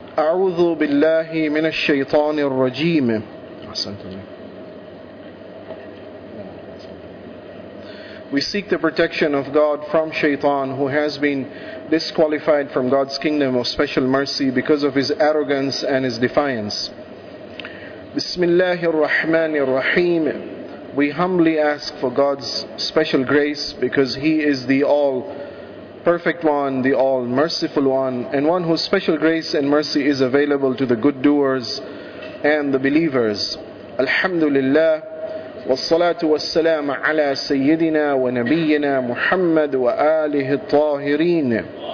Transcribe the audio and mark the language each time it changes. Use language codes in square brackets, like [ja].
[ar] أعوذ بالله من الشيطان الرجيم. [en] We seek the protection of God from Shaitan, who has been disqualified from God's kingdom of special mercy because of his arrogance and his defiance. [ar] Bismillahir Rahmanir Rahim. [en] We humbly ask for God's special grace because he is the all perfect one, the all merciful one, and one whose special grace and mercy is available to the good doers and the believers. [ar] Alhamdulillah. والصلاة والسلام على سيدنا ونبينا محمد وآله الطاهرين.